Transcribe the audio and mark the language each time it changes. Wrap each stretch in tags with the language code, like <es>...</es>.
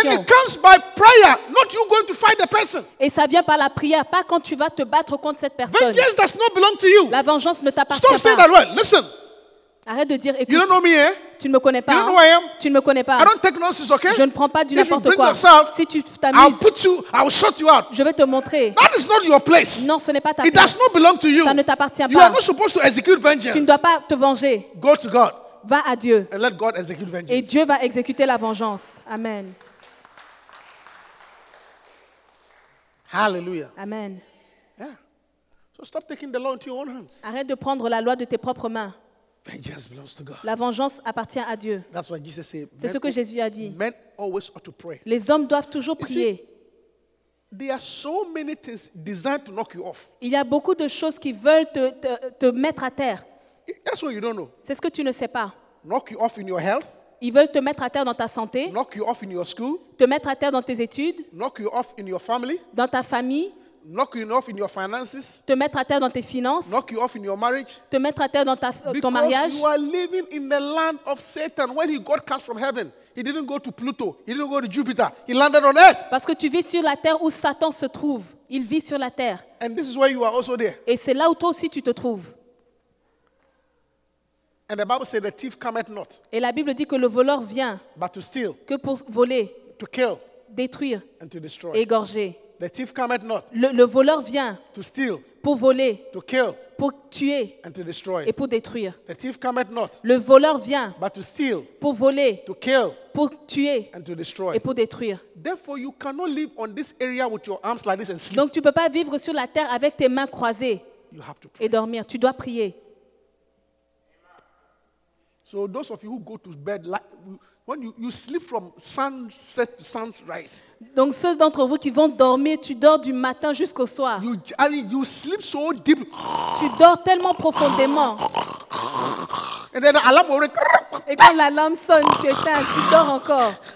<en>And it comes by prayer, not you going to fight the person.</en> <fr>Et ça vient par la prière, pas quand tu vas te battre contre cette personne.</fr> <en>Vengeance does not belong to you.</en> <fr>La vengeance ne t'appartient</fr> <en>Stop</en> <fr>pas.</fr> <en>Stop saying that word. Listen.</en> <fr>Arrête de dire, écoute,</fr> <en>you don't know me, eh?</en> <fr>Tu ne me connais pas.</fr> <en>You don't know who I am.</en> <fr>Tu ne me connais pas.</fr> <en>I don't take nonsense, okay?</en> <fr>Je ne prends pas du n'importe quoi.</fr> <en>Yourself,</en> <fr>si tu t'amuses,</fr> <en>I'll put you, I'll shut you out.</en> <fr>Je vais te montrer.</fr> <en>That is not your place.</en> <fr>Non, ce n'est pas ta</fr> <en>It</en> <fr>place.</fr> <en>Does not belong to you.</en> <fr>Ça ne t'appartient</fr> <en>you</en> <fr>pas.</fr> <en>You are not supposed to execute vengeance.</en> <fr>Tu ne dois pas te venger.</fr> <en>Go to God.</en> <fr>Va à Dieu.</fr> <en>And let God execute vengeance.</en> <fr>Et Dieu va exécuter la vengeance. Amen.</fr> <en>Hallelujah. Amen. Yeah. So stop taking the law into your own hands.</en> <fr>Arrête de prendre la loi de tes propres mains.</fr> <en>Vengeance belongs to God.</en> <fr>La vengeance appartient à Dieu.</fr> <en>That's what Jesus said.</en> <fr>C'est ce que Jésus a dit.</fr> <en>Men always ought to pray.</en> <fr>Les hommes doivent toujours prier.</fr> <en>There are so many things designed to knock you off.</en> <fr>Il y a beaucoup de choses qui veulent te mettre à terre.</fr> <en>That's what you don't know.</en> <fr>C'est ce que tu ne sais pas.</fr> <en>Knock you off in your health.</en> <fr>Ils veulent te mettre à terre dans ta santé.</fr> <en>Knock you off in your school.</en> <fr>Te mettre à terre dans tes études.</fr> <en>Knock you off in your family.</en> <fr>Dans ta famille.</fr> <en>Knock you off in your finances.</en> <fr>Te mettre à terre dans tes finances.</fr> <en>Knock you off in your marriage.</en> <fr>Te mettre à terre dans ton mariage.</fr> <en>Because you are living in the land of Satan. When he got cast from heaven, he didn't go to Pluto. He didn't go to Jupiter. He landed on earth.</en> <fr>Parce que tu vis sur la terre où Satan se trouve. Il vit sur la terre.</fr> <en>And this is where you are also there.</en> <fr>Et c'est là où toi aussi tu te trouves.</fr> <en>And the Bible says the thief cometh not.</en> <fr>Et la Bible dit que le voleur vient.</fr> <en>But to steal.</en> <fr>Que pour voler.</fr> <en>To kill.</en> <fr>Détruire.</fr> <en>And to destroy.</en> <fr>Égorger.</fr> <en>The thief cometh not.</en> <fr>Le voleur vient.</fr> <en>To steal.</en> <fr>Pour voler.</fr> <en>To kill.</en> <fr>Pour tuer.</fr> <en>And to destroy.</en> <fr>Et pour détruire.</fr> <en>The thief cometh not.</en> <fr>Le voleur vient.</fr> <en>But to steal.</en> <fr>Pour voler.</fr> <en>To kill.</en> <fr>Pour tuer.</fr> <en>And to destroy.</en> <fr>Et pour détruire.</fr> <en>Therefore, you cannot live on this area with your arms like this and sleep.</en> <fr>Donc tu peux pas vivre sur la terre avec tes mains croisées.</fr> <en>You have to pray.</en> <fr>Et dormir. Tu dois prier.</fr> <en>So those of you who go to bed, like, when you sleep from sunset to sunrise.</en> <fr>Donc ceux d'entre vous qui vont dormir, tu dors du matin jusqu'au soir.</fr> <en>You sleep so deep.</en> <fr>Tu dors tellement profondément.</fr> <en>And then the alarm will ring.</en> <fr>Et quand l'alarme sonne, tu éteins, tu dors encore.</fr>